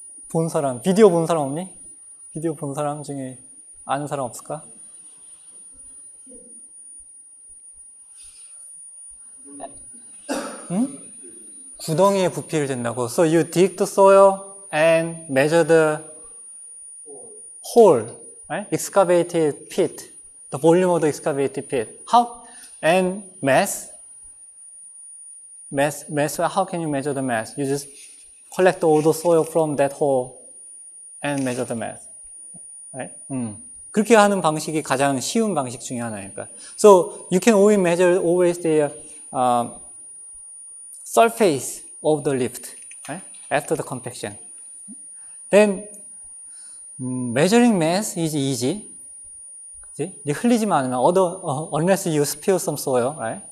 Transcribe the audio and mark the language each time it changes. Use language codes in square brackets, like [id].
[ko] 본 사람, 비디오 본 사람 없니? 비디오 본 사람 중에 아는 사람 없을까? 응? 구덩이에 부피를 댄다고. [en] So you dig the soil and measure the hole, right? Excavated pit, the volume of the excavated pit. How? And mass? Mass, how can you measure the mass? You just collect all the soil from that hole and measure the mass, right? [ko] 그렇게 하는 방식이 가장 쉬운 방식 중에 하나니까. [en] So you can always measure always the surface of the lift right? after the compaction. Then measuring mass is easy. [ko] 이제 흘리지만 않으면 [en] unless you spill some soil, right?